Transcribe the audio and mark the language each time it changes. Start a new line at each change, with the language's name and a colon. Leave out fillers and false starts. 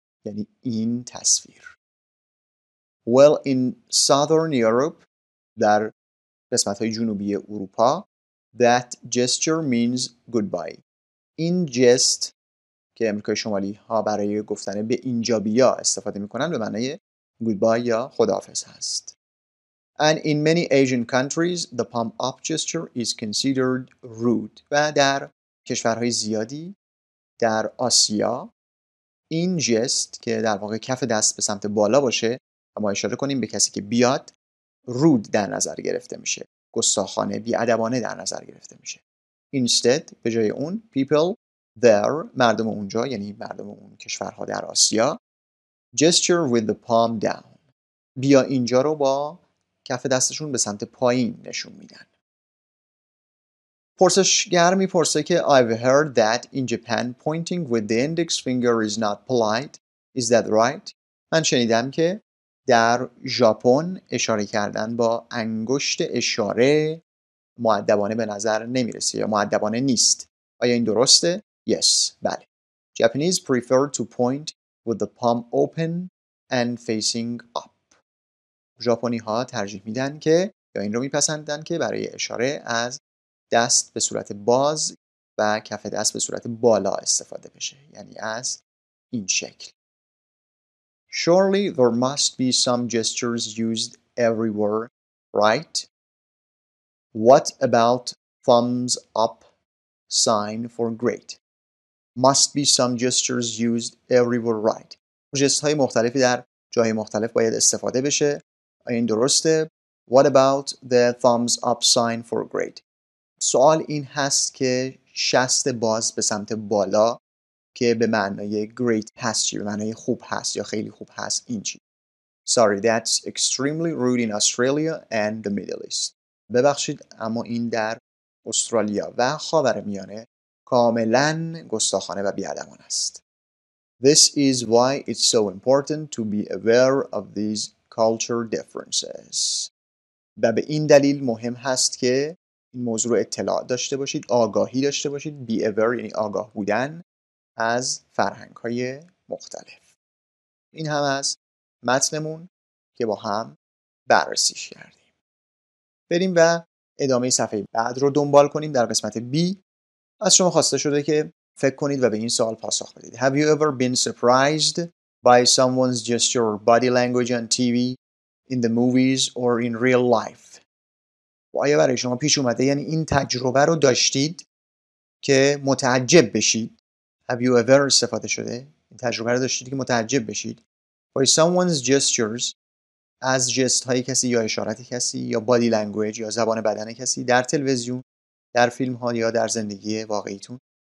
Persian: یعنی این تصویر.
English: Well, in Southern Europe,
Persian: در قسمت های جنوبی اروپا,
English: that gesture means goodbye.
Persian: این جست که امریکای شمالی ها برای گفتن به اینجا بیا استفاده میکنن به معنی goodbye یا خداحافظ هست.
English: And in many Asian countries, the palm up gesture is considered rude.
Persian: و در کشورهای زیادی در آسیا این جست که در واقع کف دست به سمت بالا باشه اما اشاره کنیم به کسی که بیاد rude در نظر گرفته میشه. گستاخانه، بی‌ادبانه در نظر گرفته میشه.
English: Instead,
Persian: به جای اون
English: people there,
Persian: مردم اونجا یعنی مردم اون کشورها در آسیا
English: gesture with the palm down.
Persian: بیا اینجا رو با کف دستشون به سمت پایین نشون میدن. پرسشگر میپرسه که
English: I've heard that in Japan pointing with the index finger is not polite. Is that right?
Persian: من شنیدم که در ژاپن اشاره کردن با انگشت اشاره مؤدبانه به نظر نمیرسه یا مؤدبانه نیست. آیا این درسته؟ Yes, بله.
English: Japanese prefer to point with the palm open and facing up.
Persian: ژاپنی ها ترجیح میدن که یا این رو میپسندن که برای اشاره از دست به صورت باز و کف دست به صورت بالا استفاده بشه، یعنی از این شکل.
English: Surely there must be some gestures used everywhere, right? What about thumbs up sign for great? Must be some gestures used everywhere, right?
Persian: ژست های مختلفی در جای مختلف باید استفاده بشه. این درسته.
English: What about the thumbs up sign for great?
Persian: سوال این هست که شست باز به سمت بالا که به معنای great هست چی؟ به معنای خوب هست یا خیلی خوب هست این چی؟
English: Sorry, that's extremely rude in Australia and the Middle East.
Persian: ببخشید اما این در استرالیا و خاورمیانه کاملا گستاخانه و بی‌ادبانه است.
English: This is why it's so important to be aware of these culture differences.
Persian: و به این دلیل مهم هست که این موضوع رو اطلاع داشته باشید، آگاهی داشته باشید. Be aware یعنی آگاه بودن از فرهنگ های مختلف. این هم از متنمون که با هم بررسیش کردیم. بریم و ادامه صفحه بعد رو دنبال کنیم. در قسمت B از شما خواسته شده که فکر کنید و به این سوال پاسخ بدید.
English: Have you ever been surprised by someone's gesture or body language on TV, in the movies or in real life?
Persian: و آیا برای شما پیش اومده یعنی این تجربه رو داشتید که متعجب بشید؟
English: Have you ever
Persian: استفاده شده؟ این تجربه رو داشتید که متعجب بشید؟
English: By someone's gestures,
Persian: از جست های کسی یا اشارت کسی یا body language یا زبان بدن کسی در تلویزیون، در فیلم ها یا در زندگی واقعیتون.